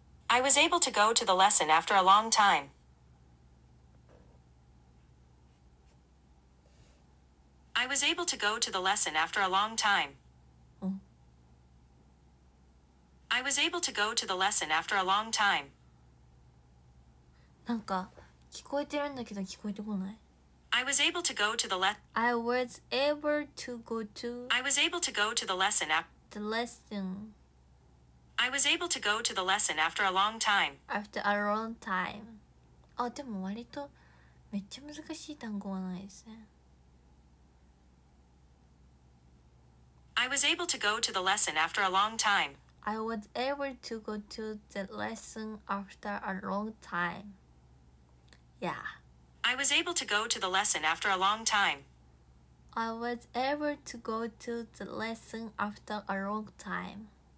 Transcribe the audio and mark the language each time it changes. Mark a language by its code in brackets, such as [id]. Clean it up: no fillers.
[en] I was able to go to the lesson after a long time. I was able to go to the lesson after a long time. I was able to go to the lesson after a long time. [ja] なんか聞こえてるんだけど聞こえてこない。 [en] I was able to go to the I was able to go to I was able to go to the lesson ap- the lesson I was able to go to the lesson after a long time after a long time。 [ja] あ、でも割とめっちゃ難しい単語はないですね。 [en] I was able to go to the lesson after a long time。 I was able to go to the lesson after a long timeYeah. I was able to go to the lesson after a long time. I was able to go to the lesson after a long time.